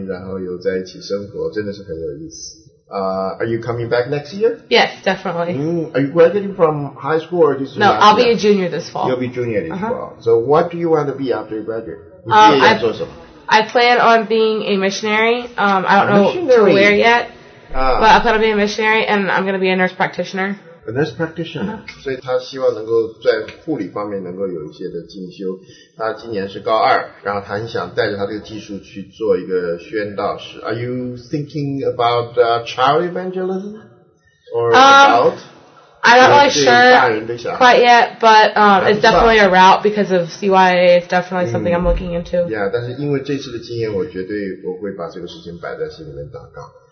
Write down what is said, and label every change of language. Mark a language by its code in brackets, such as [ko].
[zh] 我们一大堆年轻的孩子在一起，都为了传福音，然后有在一起生活，真的是很有意思。 [en] Are you coming back next year? Yes, definitely. Are you graduating from high school or this year? No, I'll be a junior this fall. You'll be junior this fall. So what do you want to be after you graduate? I plan on being a missionary. I don't know where yet, but I plan on being a missionary, and I'm going to be a nurse practitioner. A nurse practitioner. [zh] 所以他希望能够在护理方面能够有一些的进修。他今年是高二，然后他很想带着他这个技术去做一个宣道士。 [en] Are you thinking about child evangelism? Or about? I'm not really sure quite yet, but it's definitely a route because of CYA. It's definitely something I'm looking into. [zh] Yeah, 但是因为这次的经验，我绝对我会把这个事情摆在心里面祷告。